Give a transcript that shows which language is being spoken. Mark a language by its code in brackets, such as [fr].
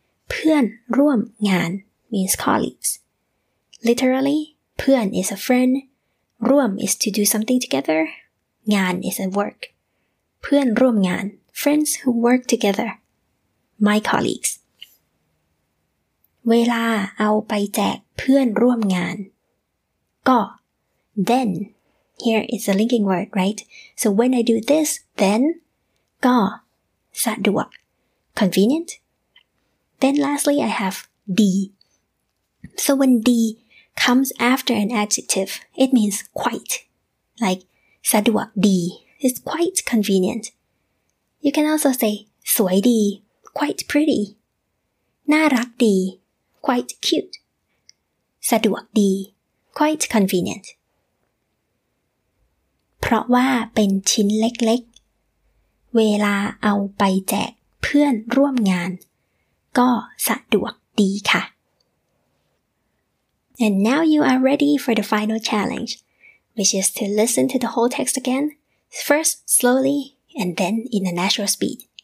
[th] เพื่อนร่วมงาน [en] means colleagues literally เพื่อน is a friend ร่วม is to do something together งาน is a work เพื่อนร่วมงาน friends who work together my colleagues [th] เวลาเอาไปแจกเพื่อนร่วมงานก็ [en] thenHere is a linking word, right? So when I do this, then [th] ก็สะดวก [en] convenient. Then lastly, I have ดี So when ดี comes after an adjective, it means quite. Like [th] สะดวกดี [en] It's quite convenient. You can also say [th] สวยดี [en] quite pretty. [th] น่ารักดี [en] quite cute. [th] สะดวกดี [en] quite convenient. [th] เพราะว่าเป็นชิ้นเล็กๆเวลาเอาไปแจกเพื่อนร่วมงานก็สะดวกดีค่ะ [en] And now you are ready for the final challenge, which is to listen to the whole text again, first slowly and then in a natural speed.